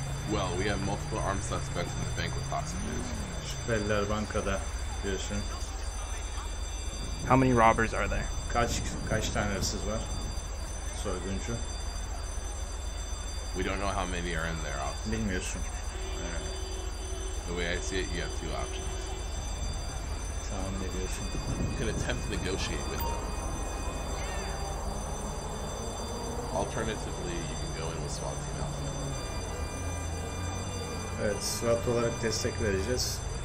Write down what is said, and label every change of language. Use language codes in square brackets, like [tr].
[en] Well, we have multiple armed suspects in the bank with hostages. [tr] Şüpheliler bankada diyorsun. [en] How many robbers are there? [tr] Kaç tane hırsız var? Soyguncu. [en] We don't know how many are in there, officer. [tr] Bilmiyorsun. [en] The way I see it, you have two options. [tr] Tamam, ne diyorsun? [en] You can attempt to negotiate with them. Alternatively, you can go in with SWAT team outfit. [tr] Evet, SWAT olarak destek vereceğiz.